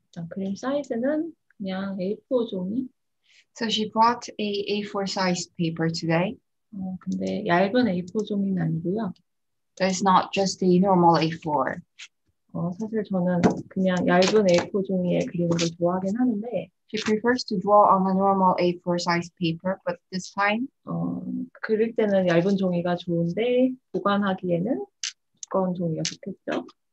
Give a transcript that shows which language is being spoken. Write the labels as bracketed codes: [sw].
[ko] 그림 사이즈는 그냥 A4 종이. [en] So she brought a A4 size paper today. [ko] 근데 얇은 A4 종이는 아니고요. [en] That's not just the normal A4. [ko] 사실 저는 그냥 얇은 A4 종이에 그리는 걸 좋아하긴 하는데, [en] She prefers to draw on a normal A4 size paper, but this time, [ko] 그릴 때는 얇은 종이가 좋은데 보관하기에는 두꺼운 종이가 좋겠죠.